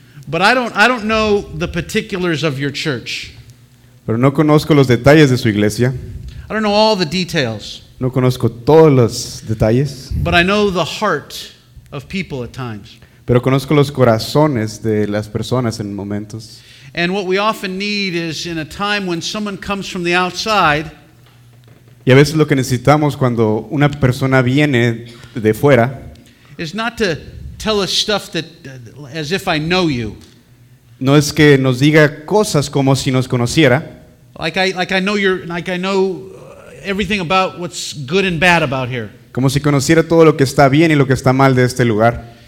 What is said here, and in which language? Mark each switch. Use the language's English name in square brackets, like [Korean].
[English] But I don't know the particulars of your church. [Spanish] Pero no conozco los detalles de su iglesia. [English] I don't know all the details. [Spanish] No conozco todos los detalles. [English] But I know the heart of people at times. [Spanish] Pero conozco los corazones de las personas en momentos. [English] And what we often need is in a time when someone comes from the outside. [Spanish] Y a veces lo que necesitamos cuando una persona viene de fuera [English] is not to tell us stuff that as if I know you. [Spanish] No es que nos diga cosas como si nos conociera. [English] Like I know everything about what's good and bad about here. [Spanish] Como si conociera todo lo que está bien y lo que está mal de este lugar.